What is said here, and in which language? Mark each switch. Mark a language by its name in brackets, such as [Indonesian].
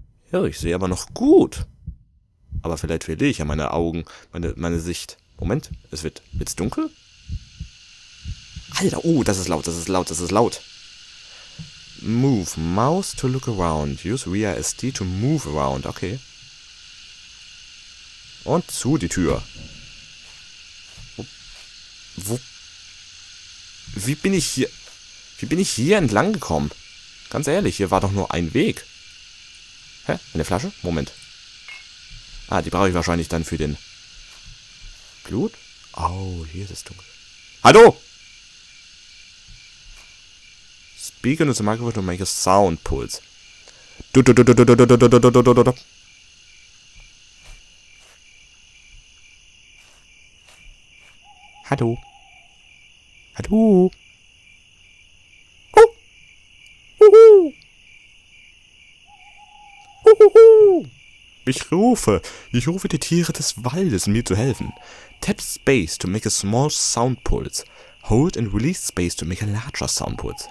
[German] Ja, ich sehe aber noch gut. Aber vielleicht verliere ich ja meine Augen, meine Sicht. Moment, es wird jetzt dunkel? Alter, oh, das ist laut. [English] Move mouse to look around. Use VRST to move around. Okay. [German] Und zu die Tür. Wo? Wie bin ich hier entlang gekommen? Ganz ehrlich, hier war doch nur ein Weg. Hä? Eine Flasche? Moment. Ah, die brauche ich wahrscheinlich dann für den Blut. Oh, hier ist es dunkel. Hallo! [English] Speak into the microphone to make a sound pulse. [German] Du, du, du, du, du, du, du, du, du, du, du, du. Hallo. Hallo. Ich rufe die Tiere des Waldes, mir zu helfen. [English] Tap space to make a small sound pulse. Hold and release space to make a larger sound pulse.